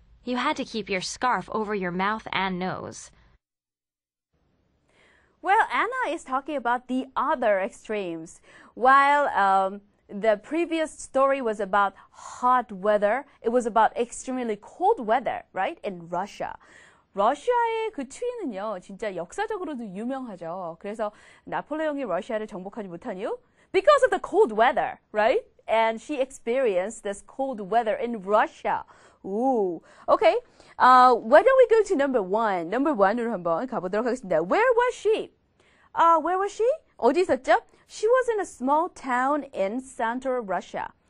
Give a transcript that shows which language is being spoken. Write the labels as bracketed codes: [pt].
[en] You had to keep your scarf over your mouth and nose. Well, Anna is talking about the other extremes. While the previous story was about hot weather, it was about extremely cold weather, right, in Russia. [ko] 러시아의 그 추위는요, 진짜 역사적으로도 유명하죠. 그래서 나폴레옹이 러시아를 정복하지 못한 이유? [en] Because of the cold weather, right? And she experienced this cold weather in Russia. Ooh. Okay. Why don't we go to number one? [ko] Number one으로 한번 가보도록 하겠습니다. [en] Where was she? Where was she? [ko] 어디 있었죠? [en] She was in a small town in central Russia.